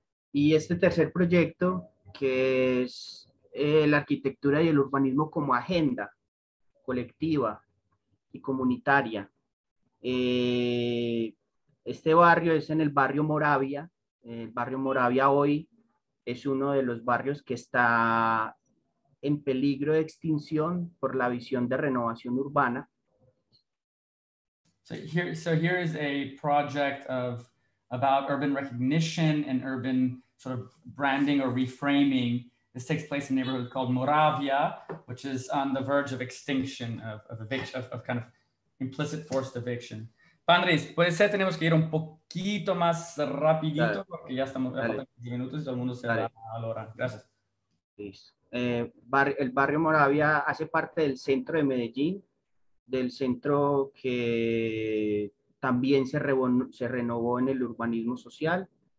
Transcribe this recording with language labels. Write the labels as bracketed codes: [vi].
[es] Y este tercer proyecto, que es la arquitectura y el urbanismo como agenda colectiva y comunitaria. Este barrio es en el barrio Moravia. El barrio Moravia hoy es uno de los barrios que está en peligro de extinción por la visión de renovación urbana. [en] So here is a project of about urban recognition and urban sort of branding or reframing. This takes place in a neighborhood called Moravia, which is on the verge of extinction, of kind of implicit forced eviction. [es] Andrés, puede ser tenemos que ir un poquito más rapidito dale, porque ya estamos a 10 minutos y todo el mundo se dale va a lograr. Gracias. El barrio Moravia hace parte del centro de Medellín, del centro que también se renovó en el urbanismo social.